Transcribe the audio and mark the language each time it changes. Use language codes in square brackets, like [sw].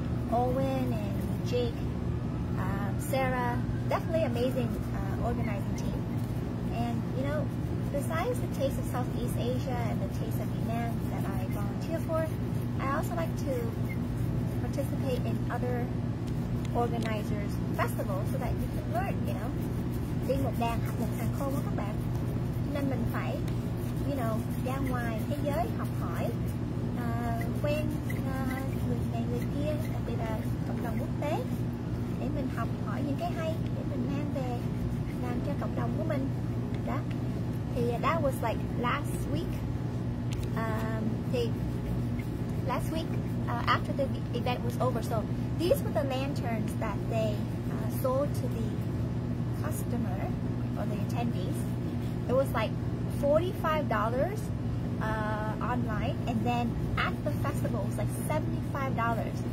[en] Owen and Jake, Sarah, definitely amazing organizing team. And you know, besides the Taste of Southeast Asia and the Taste of Yunnan that I volunteer for, I also like to participate in other organizers' festivals so that you can learn, you know. [vi] Đi một đàn học một hàng khô các bạn. Nên mình phải, [en] you know, [vi] ra ngoài thế giới học hỏi, quen người này người kia, đặc biệt là cộng đồng quốc tế, để mình học hỏi những cái hay để mình mang về làm cho cộng đồng của mình. Đó. Thì [en] that was like last week. [vi] Thì [en] last week after the event was over, so these were the lanterns that they sold to the customer or the attendees. It was like $45 online, and then at the festival it was like $75.